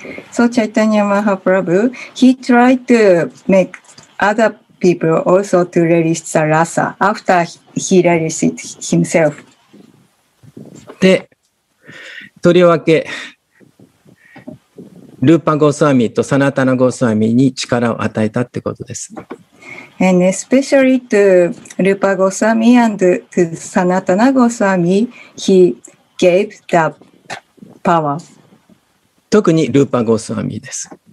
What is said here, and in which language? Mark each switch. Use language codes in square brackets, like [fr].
[en] So Chaitanya Mahaprabhu, he tried to make other people also to relish the rasa after he relished it himself. [ja] で、とりわけ、ルーパゴスワミとサナタナゴスワミに力を与えたってことです。 [en] And especially to Rupa Goswami and to Sanatana Goswami, he gave the power. [ja] 特にルーパゴスワミです。